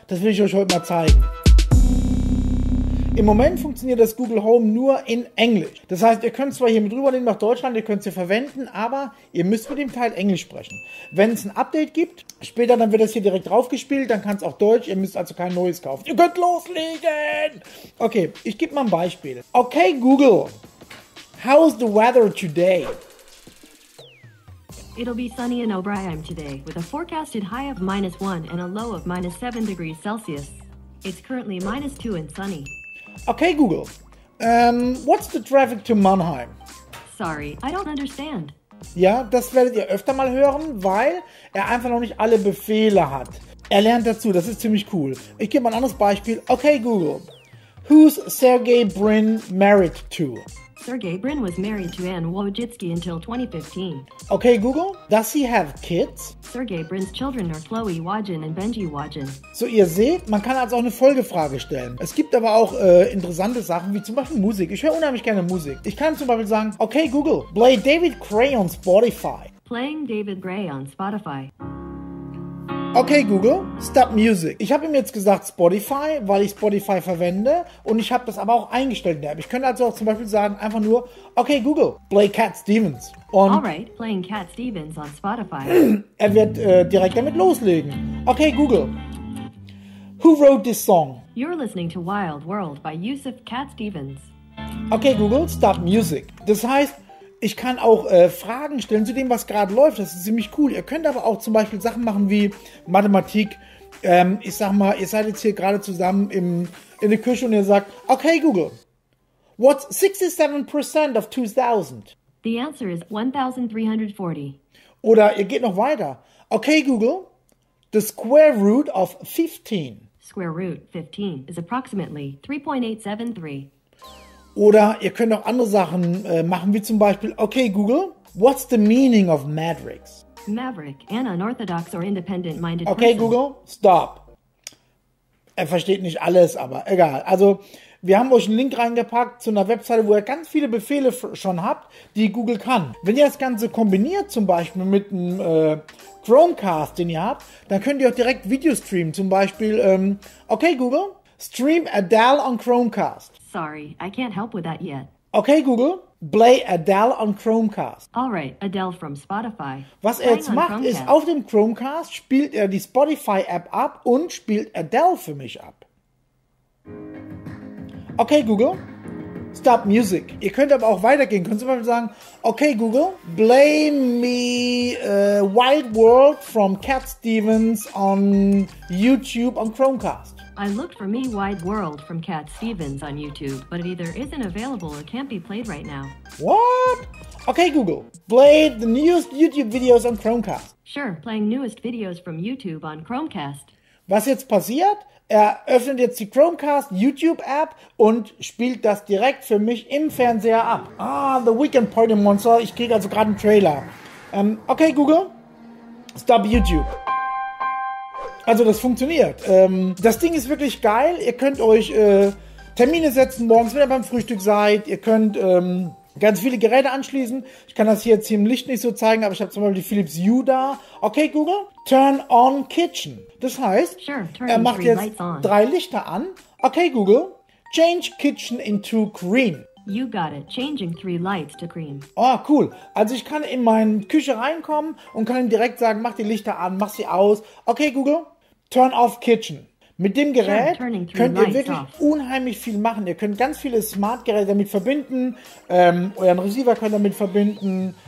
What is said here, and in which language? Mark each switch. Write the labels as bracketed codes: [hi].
[de] Das will ich euch heute mal zeigen. Im Moment funktioniert das Google Home nur in Englisch. Das heißt, ihr könnt zwar hier mit rübernehmen nach Deutschland, ihr könnt es hier verwenden, aber ihr müsst mit dem Teil Englisch sprechen. Wenn es ein Update gibt, später dann wird das hier direkt draufgespielt, dann kann es auch Deutsch, ihr müsst also kein neues kaufen. Ihr könnt loslegen! Okay, ich gebe mal ein Beispiel. [en] Okay, Google, how's the weather today? It'll be sunny in O'Brien today, with a forecasted high of minus 1 and a low of minus 7 degrees Celsius. It's currently minus 2 and sunny. Okay, Google, what's the traffic to Mannheim? Sorry, I don't understand. [de] Ja, das werdet ihr öfter mal hören, weil er einfach noch nicht alle Befehle hat. Er lernt dazu, das ist ziemlich cool. Ich gebe mal ein anderes Beispiel. [en] Okay, Google, who's Sergey Brin married to? Sergey Brin was married to Anne Wojcicki until 2015. Okay, Google, does he have kids? Sergey Brin's children are Chloe Wajin and Benji Wajin. [de] So, ihr seht, man kann also auch eine Folgefrage stellen. Es gibt aber auch interessante Sachen, wie zum Beispiel Musik. Ich höre unheimlich gerne Musik. Ich kann zum Beispiel sagen, okay, Google, [en] play David Gray on Spotify. Playing David Gray on Spotify. Okay, Google, stop music. [de] Ich habe ihm jetzt gesagt Spotify, weil ich Spotify verwende und ich habe das aber auch eingestellt in der App. Ich könnte also auch zum Beispiel sagen, einfach nur, okay, Google, [en] play Cat Stevens. [de] Und [en] alright, playing Cat Stevens on Spotify. [de] Er wird direkt damit loslegen. [en] Okay, Google, who wrote this song? You're listening to Wild World by Yusuf Cat Stevens. Okay, Google, stop music. [de] Das heißt, ich kann auch Fragen stellen zu dem, was gerade läuft. Das ist ziemlich cool. Ihr könnt aber auch zum Beispiel Sachen machen wie Mathematik. Ich sag mal, ihr seid jetzt hier gerade zusammen in der Küche und ihr sagt, okay, Google, [en] what's 67% of 2000? The answer is 1340. [de] Oder ihr geht noch weiter. [en] Okay, Google, the square root of 15. Square root 15 is approximately 3.873. [de] Oder ihr könnt auch andere Sachen machen, wie zum Beispiel, okay, Google, [en] what's the meaning of Matrix? Maverick, an unorthodox or independent-minded person. Okay, Google, stop. [de] Er versteht nicht alles, aber egal. Also, wir haben euch einen Link reingepackt zu einer Webseite, wo ihr ganz viele Befehle schon habt, die Google kann. Wenn ihr das Ganze kombiniert, zum Beispiel mit einem Chromecast, den ihr habt, dann könnt ihr auch direkt Video streamen. Zum Beispiel, okay, Google, [en] stream Adele on Chromecast. Sorry, I can't help with that yet. Okay, Google, play Adele on Chromecast. All right, Adele from Spotify. [de] Was er jetzt macht, ist, auf dem Chromecast spielt er die Spotify-App ab und spielt Adele für mich ab. [en] Okay, Google, stop music. [de] Ihr könnt aber auch weitergehen. Könnt ihr mal sagen, okay, Google, [en] play me Wild World from Cat Stevens on YouTube on Chromecast. I looked for Me Wide World from Cat Stevens on YouTube, but it either isn't available or can't be played right now. What? Okay, Google, play the newest YouTube videos on Chromecast. Sure, playing newest videos from YouTube on Chromecast. [de] Was jetzt passiert? Er öffnet jetzt die Chromecast YouTube App und spielt das direkt für mich im Fernseher ab. Ah, The Weekend Party Monster. Ich kriege also gerade einen Trailer. [en] Okay, Google, stop YouTube. [de] Also das funktioniert. Das Ding ist wirklich geil. Ihr könnt euch Termine setzen morgens, wenn ihr beim Frühstück seid. Ihr könnt ganz viele Geräte anschließen. Ich kann das hier jetzt hier im Licht nicht so zeigen, aber ich habe zum Beispiel die Philips Hue da. [en] Okay, Google, turn on kitchen. [de] Das heißt, [en] sure, [de] er macht jetzt drei Lichter an. [en] Okay, Google, change kitchen into green. You got it. Changing three lights to green. Oh, cool. [de] Also ich kann in meine Küche reinkommen und kann ihm direkt sagen, mach die Lichter an, mach sie aus. [en] Okay, Google, turn off kitchen. [de] Mit dem Gerät könnt ihr wirklich unheimlich viel machen. Ihr könnt ganz viele Smart-Geräte damit verbinden. Euren Receiver könnt ihr damit verbinden.